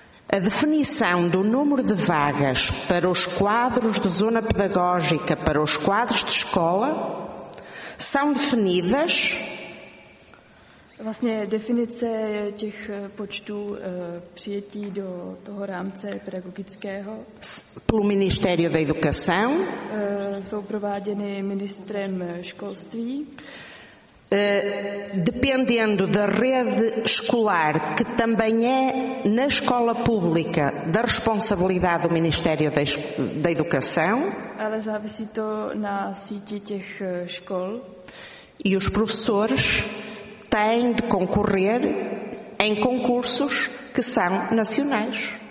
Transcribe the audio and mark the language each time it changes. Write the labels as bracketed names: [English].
[Portuguese] A definição do número de vagas para os quadros de zona pedagógica, para os quadros de escola, são definidas... [Czech] Vlastně definice těch počtů přijetí do toho rámce pedagogického [Portuguese] pelo Ministério da Educação [Czech] jsou prováděny ministrem školství. [Portuguese] Dependendo da rede escolar, que também é na escola pública da responsabilidade do Ministério da Educação. [Czech] Ale závisí to na síti těch škol. [Portuguese] E os professores têm de concorrer em concursos que são nacionais.